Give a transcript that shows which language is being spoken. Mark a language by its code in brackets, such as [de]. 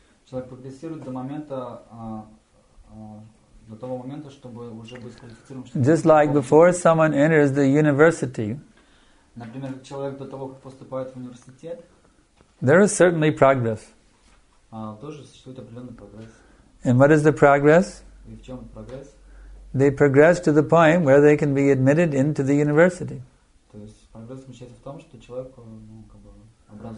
[ru] Человек прогрессирует до момента, до того момента, чтобы уже быть квалифицирован. [en] Just like before someone enters the university. [ru] Например, человек до того, как поступает в университет. [en] There is certainly progress. [ru] Тоже существует определенный прогресс. [en] And what is the progress? [ru] И в чем прогресс? [en] They progress to the point where they can be admitted into the university. [ru] То есть прогресс заключается в том, что человек, ну, как бы,